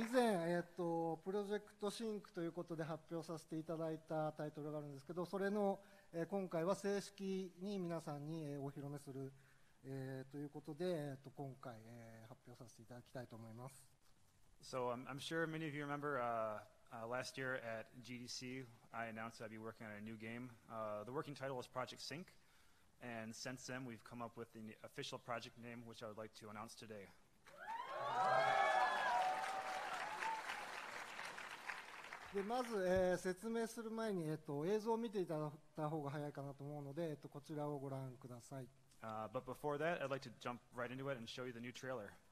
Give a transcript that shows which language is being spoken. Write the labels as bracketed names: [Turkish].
[Japanese] 以前、プロジェクトシンクということで発表させていただいたタイトルがあるんですけど、それの今回は正式に皆さんにお披露目するということで、今回発表させていただきたいと思います。 [English] So I'm sure many of you remember last year at GDC I announced I'd be working on a new game. The working title was Project Sync, and since then we've come up with the official project name which I would like to announce today. [Japanese] でまず、説明する前に、映像を見ていただいた方が早いかなと思うので、こちらをご覧ください。 [English] But before that, I'd like to jump right into it and show you the new trailer.